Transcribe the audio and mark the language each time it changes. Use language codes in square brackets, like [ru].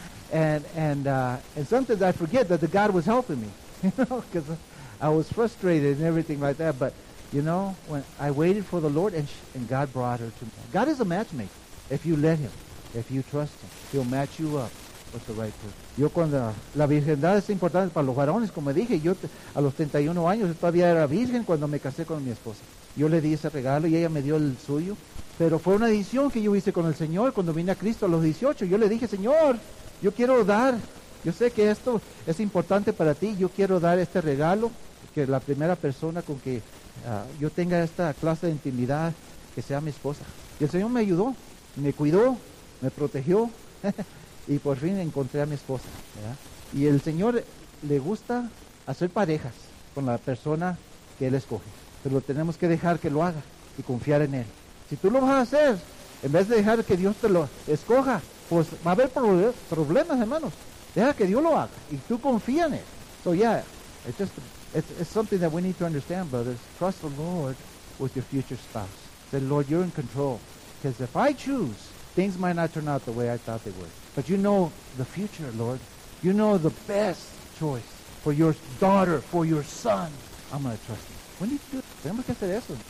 [en] And sometimes I forget that the God was helping me, you know, because I was frustrated and everything like that. But, you know, when I waited for the Lord and God brought her to me. God is a matchmaker. If you let him, if you trust him, he'll match you up with the right person. [es] Yo cuando la virgindad es importante para los varones, como dije, yo a los 31 años todavía era virgen cuando me casé con mi esposa. Yo le di ese regalo y ella me dio el suyo. Pero fue una decisión que yo hice con el Señor cuando vine a Cristo a los 18. Yo le dije, Señor, yo quiero dar, Yo sé que esto es importante para ti. Yo quiero dar este regalo, que la primera persona con que yo tenga esta clase de intimidad, que sea mi esposa. Y el Señor me ayudó, me cuidó, me protegió, y por fin encontré a mi esposa, ¿verdad? Y el Señor le gusta hacer parejas con la persona que Él escoge. Pero tenemos que dejar que lo haga y confiar en Él. Si tú lo vas a hacer, en vez de dejar que Dios te lo escoja, pues va a haber problemas, hermanos. Deja que Dios lo haga y tú confía en Él. [en] So yeah, it's something that we need to understand, brothers. Trust the Lord with your future spouse. Say, Lord, you're in control. Because if I choose, things might not turn out the way I thought they would. But you know the future, Lord. You know the best choice for your daughter, for your son. I'm going to trust you. We need to do it. [es] Tenemos que hacer eso.